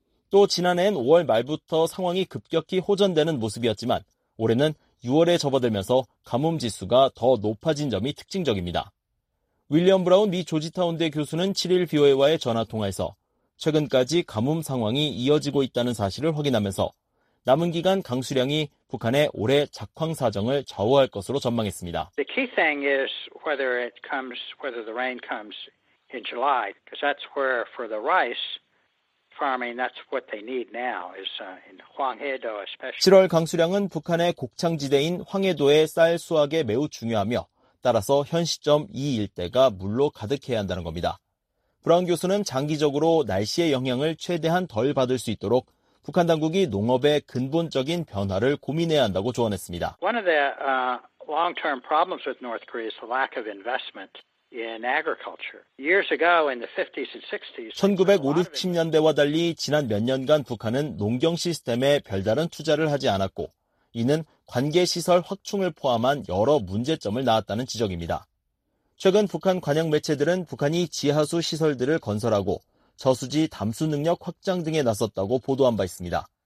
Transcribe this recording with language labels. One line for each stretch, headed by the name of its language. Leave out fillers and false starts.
Korean: 또 지난해엔 5월 말부터 상황이 급격히 호전되는 모습이었지만 올해는 6월에 접어들면서 가뭄 지수가 더 높아진 점이 특징적입니다. 윌리엄 브라운 미 조지타운대 교수는 7일 BOA와의 전화통화에서 최근까지 가뭄 상황이 이어지고 있다는 사실을 확인하면서 남은 기간 강수량이 북한의 올해 작황 사정을 좌우할 것으로 전망했습니다.
English: The key thing is whether the rain comes in July, because that's where for the rice farming, that's what they need now is in Hwanghae-do especially.
Korean: 7월 강수량은 북한의 곡창지대인 황해도의 쌀 수확에 매우 중요하며 따라서 현 시점 이 일대가 물로 가득해야 한다는 겁니다. 브라운 교수는 장기적으로 날씨의 영향을 최대한 덜 받을 수 있도록 북한 당국이 농업의 근본적인 변화를 고민해야 한다고 조언했습니다.
English: One of the long-term problems with North Korea is the lack of investment in agriculture. Years ago in the 50s and 60s
Korean: 1950년대와 달리 지난 몇 년간 북한은 농경 시스템에 별다른 투자를 하지 않았고 이는 관계시설 확충을 포함한 여러 문제점을 낳았다는 지적입니다. 최근 북한 관영 매체들은 북한이 지하수 시설들을 건설하고 저수지 담수 능력 확장 등에 나섰다고 보도한 바 있습니다.